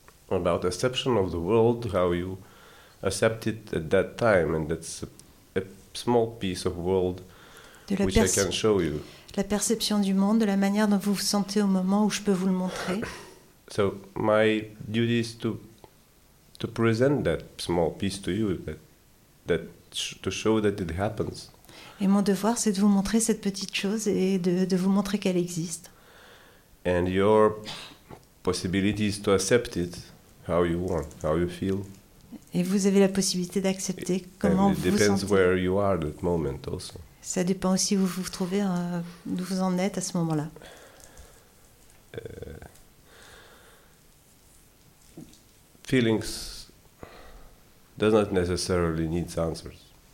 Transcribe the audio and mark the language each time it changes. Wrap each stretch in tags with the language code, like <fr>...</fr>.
<en>About perception of the world, how you accept it at that time, and that's a small piece of world which I can show you.</en> <fr>La perception du monde, de la manière dont vous vous sentez au moment où je peux vous le montrer.</fr> <en>So my duty is to present that small piece to you to show that it happens.</en> <fr>Et mon devoir c'est de vous montrer cette petite chose et de vous montrer qu'elle existe.</fr> <en>And your possibility is to accept it how you want, how you feel.</en> <fr>Et vous avez la possibilité d'accepter comment vous vous sentez.</fr> <en>It depends where you are at that moment also.</en> <fr>Ça dépend aussi où vous trouvez d'où vous en êtes à ce moment-là.</fr> <en>Feelings does not necessarily need answers.</en>